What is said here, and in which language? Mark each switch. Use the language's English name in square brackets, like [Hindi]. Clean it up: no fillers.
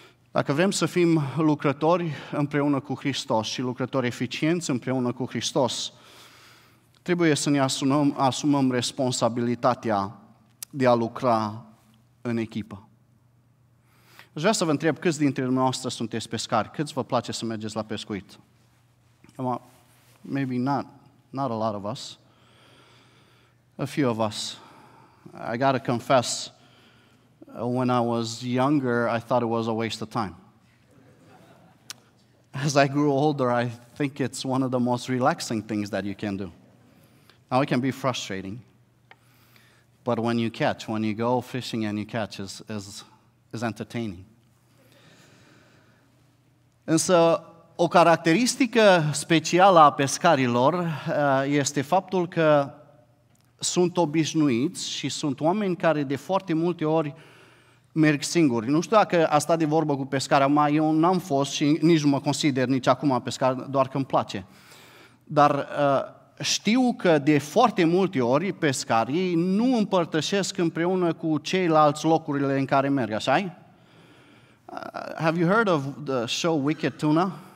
[Romanian] Dacă vrem să fim lucrători împreună cu Hristos și lucrători eficienți împreună cu Hristos, trebuie să ne asumăm responsabilitatea de a lucra în echipă. Aș vrea să vă întreb câți dintre dumneavoastră sunteți pescari, câți vă place să mergeți la pescuit? [English] maybe not a lot of us, a few of us. I gotta confess, when I was younger, I thought it was a waste of time. As I grew older, I think it's one of the most relaxing things that you can do. Now, it can be frustrating, but when you catch, when you go fishing and you catch, is entertaining. [Romanian] Însă, o caracteristică specială a pescarilor este faptul că sunt obișnuiți și sunt oameni care de foarte multe ori merg singuri. Nu știu dacă a stat de vorbă cu pescarea, mai eu n-am fost și nici nu mă consider nici acum pescar, doar că îmi place. Dar știu că de foarte multe ori pescarii nu împărtășesc împreună cu ceilalți locurile în care merg, așa-i? [English] Have you heard of the show Wicked Tuna?